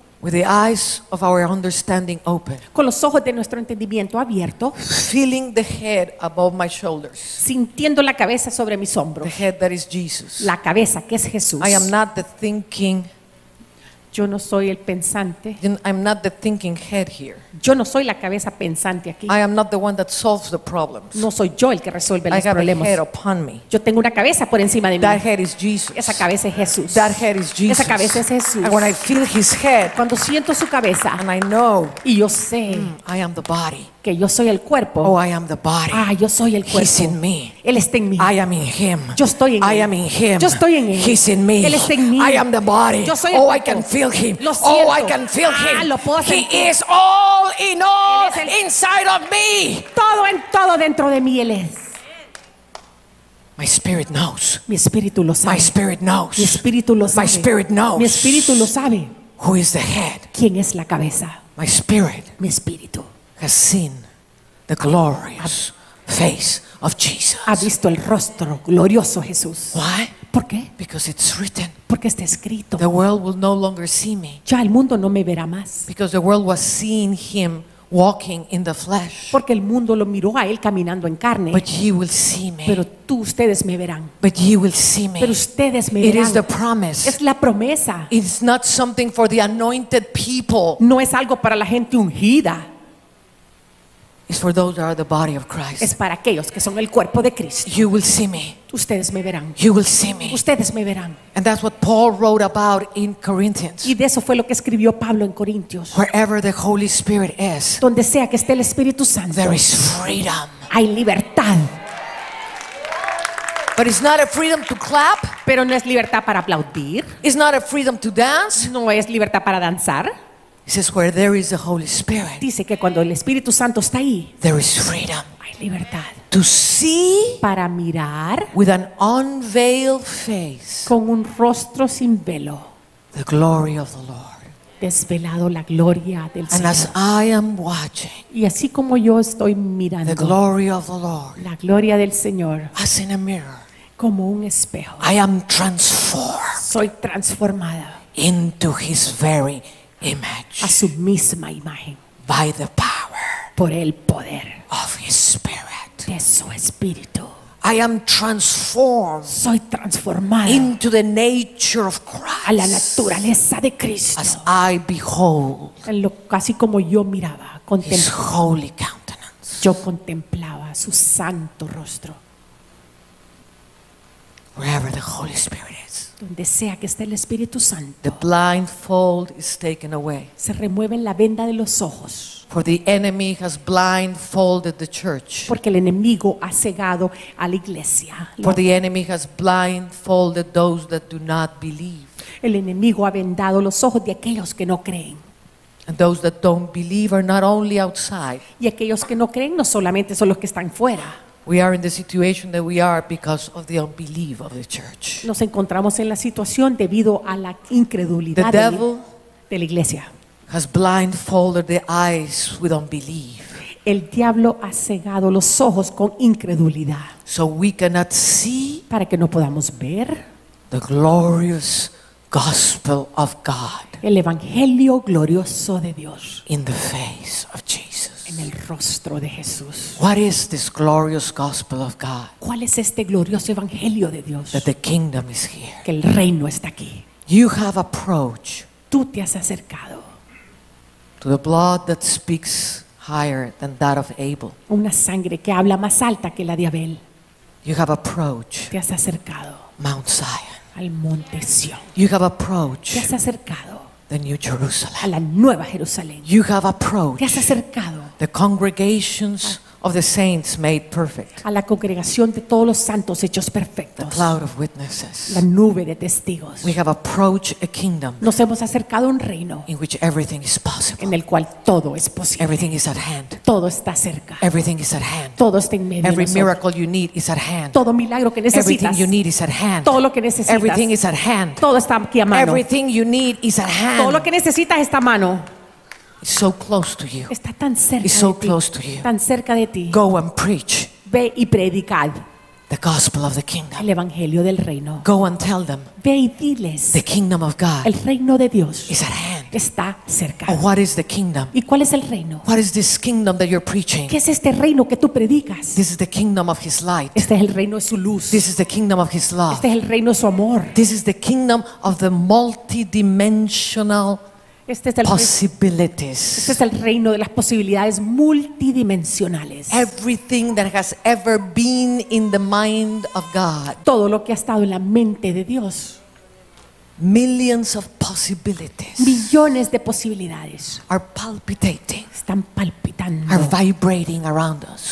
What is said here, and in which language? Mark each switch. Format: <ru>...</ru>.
<en>with the eyes of our understanding open,</en> <es>con los ojos de nuestro entendimiento abierto,</es> <en>feeling the head above my shoulders,</en> <es>sintiendo la cabeza sobre mis hombros,</es> <en>the head that is Jesus,</en> <es>la cabeza que es Jesús,</es> <en>I am not the thinking.</en> <es>Yo no soy el pensante.</es> <en>I'm not the thinking head here.</en> <es>Yo no soy la cabeza pensante aquí.</es> <en>I am not the one that solves the problems.</en> <es>No soy yo el que resuelve</es> <en>I</en> <es>los problemas.</es> <en>A head upon me.</en> <es>Yo tengo una cabeza por encima de</es> <en>that</en> <es>mí.</es> <en>Head is Jesus.</en> <es>Esa cabeza es Jesús.</es> <en>That head is Jesus.</en> <es>Esa cabeza es Jesús.</es> <en>And when I feel his head,</en> <es>cuando siento su cabeza,</es> <en>and I know,</en> <es>y yo sé,</es> <en>I am the body.</en> <es>Que yo soy el cuerpo.</es> <en>Oh, I am the body.</en> <es>Ah, yo soy el cuerpo.</es> <en>He's in me.</en> <es>Él está en mí.</es> <en>I am in him.</en> <es>Yo estoy en</es> <en>I</en> <es>él.</es> <en>I am in him.</en> <es>Yo estoy en él.</es> <en>He's in me.</en> <es>Él está en mí.</es> <en>I am the body.</en> <es>Yo soy oh, el cuerpo.</es> <en>I can feel him.</en> <es>Lo siento.</es> <en>Oh, I can feel him.</en> <es>Ah, lo puedo sentir.</es> <en>He is all in all inside of me.</en> <es>Todo en todo dentro de mí él es.</es> <en>My spirit knows.</en> <es>Mi espíritu lo sabe.</es> <en>My spirit knows.</en> <es>Mi espíritu lo sabe.</es> <en>My spirit knows.</en> <es>Mi espíritu lo sabe.</es> <en>Who is the head?</en> <es>¿Quién es la cabeza?</es> <en>My spirit.</en> <es>Mi espíritu.</es> <en>Has seen the glorious face of Jesus.</en> <es>Ha visto el rostro glorioso Jesús.</es> <en>Why?</en> <es>¿Por qué?</es> <en>Because it's written.</en> <es>Porque está escrito.</es> <en>The world will no longer see me.</en> <es>Ya el mundo no me verá más.</es> <en>Because the world was seeing him walking in the flesh.</en> <es>Porque el mundo lo miró a él caminando en carne.</es> <en>But ye will see me.</en> <es>Pero tú ustedes me verán.</es> <en>But ye will see me.</en> <es>Pero ustedes me</es> <en>it</en> <es>verán.</es> <en>It is the promise.</en> <es>Es la promesa.</es> <en>It's not something for the anointed people.</en> <es>No es algo para la gente ungida.</es> <en>It's for those that are the body of Christ.</en> <es>Es para aquellos que son el cuerpo de Cristo.</es> <en>You will see me.</en> <es>Ustedes me verán.</es> <en>You will see me.</en> <es>Ustedes me verán.</es> <en>And that's what Paul wrote about in Corinthians.</en> <es>Y de eso fue lo que escribió Pablo en Corintios.</es> <en>Wherever the Holy Spirit is.</en> <es>Donde sea que esté el Espíritu Santo.</es> <en>There is freedom.</en> <es>Hay libertad.</es> <en>But it's not a freedom to clap.</en> <es>Pero no es libertad para aplaudir.</es> <en>It's not a freedom to dance.</en> <es>No es libertad para danzar.</es> <en>It says where there is the Holy Spirit.</en> <es>Dice que cuando el Espíritu Santo está ahí.</es> <en>There is freedom.</en> <es>Hay libertad.</es> <en>To see.</en> <es>Para mirar.</es> <en>With an unveiled face.</en> <es>Con un rostro sin velo.</es> <en>The glory of the Lord.</en> <es>Desvelado la gloria del</es> <en>and</en> <es>Señor.</es> <en>And as I am watching.</en> <es>Y así como yo estoy mirando.</es> <en>The glory of the Lord.</en> <es>La gloria del Señor.</es> <en>As in a mirror.</en> <es>Como un espejo.</es> <en>I am transformed.</en> <es>Soy transformada.</es> <en>Into his very image,</en> <es>a su misma imagen,</es> <en>by the power,</en> <es>por el poder,</es> <en>of his spirit,</en> <es>de su espíritu.</es> <en>I am transformed,</en> <es>soy transformada,</es> <en>into the nature of Christ,</en> <es>a la naturaleza de Cristo,</es> <en>as I behold,</en> <es>en lo casi como yo miraba,</es> <en>his holy countenance,</en> <es>yo contemplaba su santo rostro.</es> <en>Wherever the Holy Spirit is.</en> <es>Donde sea que esté el Espíritu Santo.</es> <en>The blindfold is taken away.</en> <es>Se remueve la venda de los ojos.</es> <en>For the enemy has blindfolded the church.</en> <es>Porque el enemigo ha cegado a la iglesia.</es> <en>For the enemy has blindfolded those that do not believe.</en> <es>El enemigo ha vendado los ojos de aquellos que no creen.</es> <en>And those that don't believe are not only outside.</en> <es>Y aquellos que no creen no solamente son los que están fuera.</es> <en>We are in the situation that we are because of the unbelief of the church.</en> <es>Nos encontramos en la situación debido a la incredulidad de la iglesia.</es> <en>Has blindfolded the eyes with unbelief.</en> <es>El diablo ha cegado los ojos con incredulidad.</es> <en>So we cannot see.</en> <es>Para que no podamos ver.</es> <en>The glorious gospel of God.</en> <es>El evangelio glorioso de Dios.</es> <en>In the face of Jesus.</en> <es>En el rostro de Jesús.</es> <en>What is this glorious gospel of God?</en> <es>¿Cuál es este glorioso evangelio de Dios?</es> <en>That the kingdom is here.</en> <es>Que el reino está aquí.</es> <en>You have approached.</en> <es>Tú te has acercado.</es> <en>To the blood that speaks higher than that of Abel.</en> <es>Una sangre que habla más alta que la de Abel.</es> <en>You have approached.</en> <es>Te has acercado.</es> <en>Mount Zion.</en> <es>Al monte Sion.</es> <en>You have approached.</en> <es>Te has acercado.</es> <en>The New Jerusalem.</en> <es>A la nueva Jerusalén.</es> <en>You have approached.</en> <es>Te has acercado.</es> <en>The congregations of the saints made perfect.</en> <es>A la congregación de todos los santos hechos perfectos.</es> <en>The cloud of witnesses.</en> <es>La nube de testigos.</es> <en>We have approached a kingdom.</en> <es>Nos hemos acercado a un reino.</es> <en>In which everything is possible.</en> <es>En el cual todo es posible.</es> <en>Everything is at hand.</en> <es>Todo está cerca.</es> <en>Everything is at hand.</en> <es>Todo está en medio.</es> <en>Every miracle you need is at hand.</en> <es>Todo milagro que necesitas.</es> <en>Everything you need is at hand.</en> <es>Todo lo que necesitas.</es> <en>Everything is at hand.</en> <es>Todo está aquí a mano.</es> <en>Everything you need is at hand.</en> <es>Todo lo que necesitas está a mano.</es> <en>So close to you.</en> <es>Está tan cerca.</es> <en>It's so close to you.</en> <es>Tan cerca de ti.</es> <en>Go and preach.</en> <es>Ve y predicad.</es> <en>The gospel of the kingdom.</en> <es>El evangelio del reino.</es> <en>Go and tell them.</en> <es>Ve y diles.</es> <en>The kingdom of God.</en> <es>El reino de Dios.</es> <en>Is at hand.</en> <es>Está cerca.</es> <en>Oh, what is the kingdom?</en> <es>¿Y cuál es el reino?</es> <en>What is this kingdom that you're preaching?</en> <es>¿Qué es este reino que tú predicas?</es> <en>This is the kingdom of His light.</en> <es>Este es el reino de su luz.</es> <en>This is the kingdom of His love.</en> <es>Este es el reino de su amor.</es> <en>This is the kingdom of the multidimensional.</en> <es>Este es el reino de las posibilidades multidimensionales.</es> <en>Everything that has ever been in the mind of God.</en> <es>Todo lo que ha estado en la mente de Dios.</es> <en>Millions of possibilities.</en> <es>Millones de posibilidades.</es> <en>Are palpitating.</en> <es>Están palpitando.</es> <en>Are vibrating around us.</en>